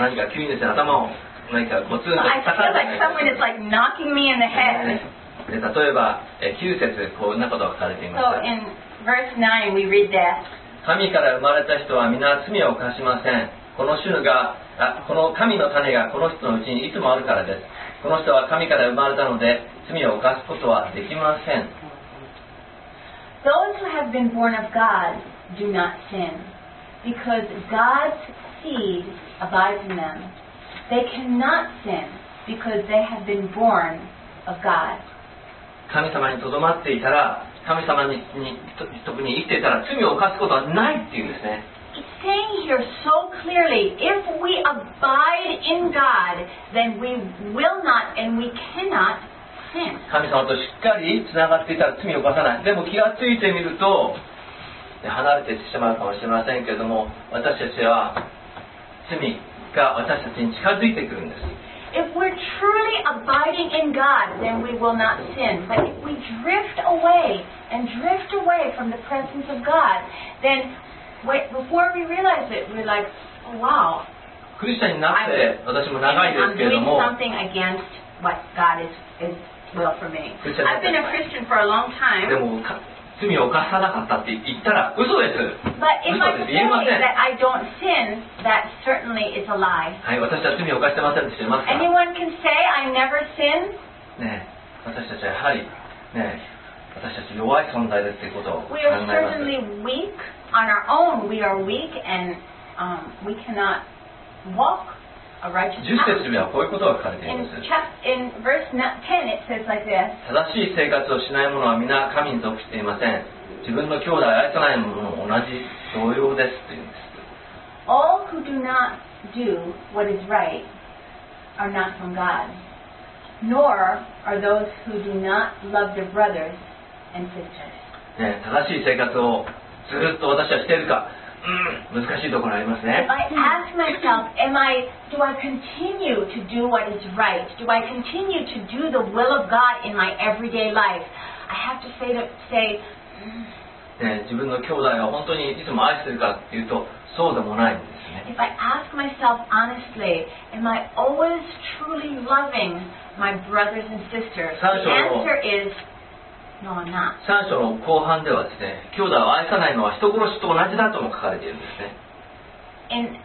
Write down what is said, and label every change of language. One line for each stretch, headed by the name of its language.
Japanese: 何か急にですね、頭を何かこつんと叩いて。
English: I feel like someone is like knocking me in the head.
Japanese: 例えば、9節、こんなことが書かれています。
English: So in verse 9, we read that.
Japanese: 神から生まれた人は皆罪を犯しません。この種が、この神の種がこの人のうちにいつもあるからです。この人は神から生まれたので、罪を犯すことはできません。
English: Those who have been born of God do not sin, because God's seed abides in them. They cannot sin, because they have been born of God.
Japanese: 神様にとどまっていたら、神様に特に生きていたら、罪を犯すことはないっていうんですね。
English: It's saying here so clearly, if we abide in God, then we will not and we cannot sin.
Japanese: 神様としっかりつながっていたら罪を犯さない。でも気がついてみると、離れてしまうかもしれませんけれども、私たちは罪が私たちに近づいてくるんです。
English: If we're truly abiding in God, then we will not sin. But if we drift away and drift away from the presence of God, then Wait, before we realize it, we're like, oh, wow.
Japanese: クリスチャンになって私も長いですけれども、
English: I'm doing something against what God is will for me. I've been a Christian for a long time.
Japanese: でも罪を犯さなかったって言ったら嘘です。
English: But if I say that I don't sin, that certainly is a lie.
Japanese: はい、私は罪を犯してませんって知ってますか。
English: Anyone can say I never sin?
Japanese: ね、私たちはやはりね、私たち弱い存在ですってことを考え
English: ます。We are certainly weak. On our own, we are weak and we cannot walk a righteous path. 10節
Japanese: にはこういうことが書かれています。
English: In verse 10, it says like this.
Japanese: 正しい生活をしない者は皆神に属していません。自分の兄弟を愛さない者も同じ同様ですというんです。
English: All who do not do what is right are not from God, nor are those who do not love their brothers and sisters.
Japanese: 正しい生活をずっと私はしているか、難しいところありますね。
English: If I ask myself, do I continue to do what is right? Do I continue to do the will of God in my everyday life? I have to say、
Japanese: ね、自分の兄弟は本当にいつも愛しているかというと、そうでもないんですね。
English: If I ask myself honestly, am I always truly loving my brothers and sisters? The answer is. No, I'm not.
Japanese: 3章の後半ではですね、兄弟を愛さないのは人殺しと同じだとも書かれているんですね。